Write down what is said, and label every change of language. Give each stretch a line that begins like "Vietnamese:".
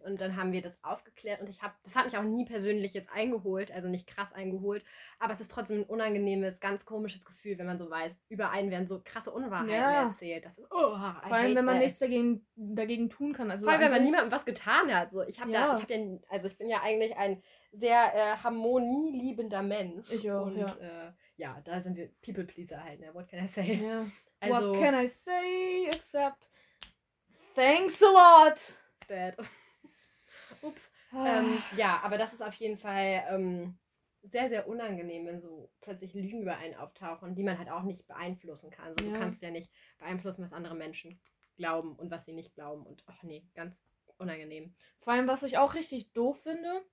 German: Und dann haben wir das aufgeklärt und das hat mich auch nie persönlich jetzt eingeholt, also nicht krass eingeholt, aber es ist trotzdem ein unangenehmes, ganz komisches Gefühl, wenn man so weiß, über einen werden so krasse Unwahrheiten erzählt. Das ist, vor allem, wenn man nichts dagegen tun kann. Also vor allem, wenn man niemandem was getan hat. So, ich bin ja eigentlich ein sehr harmonieliebender Mensch. Ich auch, und, da sind wir People Pleaser halt. Ne?
English: What can I say? Yeah. Also, what can I say except thanks a lot! Bad. Ups.
German: aber das ist auf jeden Fall sehr, sehr unangenehm, wenn so plötzlich Lügen über einen auftauchen, die man halt auch nicht beeinflussen kann. So, du kannst ja nicht beeinflussen, was andere Menschen glauben und was sie nicht glauben. Und ganz unangenehm. Vor allem, was ich auch richtig doof finde.